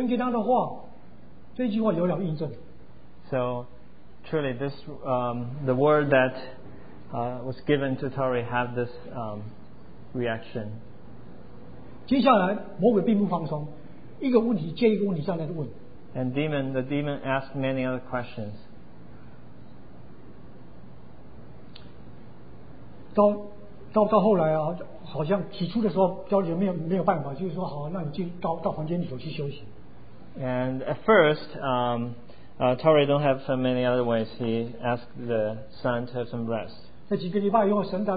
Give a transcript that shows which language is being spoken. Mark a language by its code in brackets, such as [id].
[zh] 接下来你会发觉，神给他的话，这句话有了印证。 [en] So truly, this the word that was given to Tori have this reaction. [zh] 接下来魔鬼并不放松，一个问题接一个问题上来问。 [en] And the demon asked many other questions. [zh] 到后来啊，好像起初的时候，焦雷没有办法，就是说好，那你进到房间里头去休息。 [en] And at first, Tori don't have so many other ways. He asked the son to have some rest.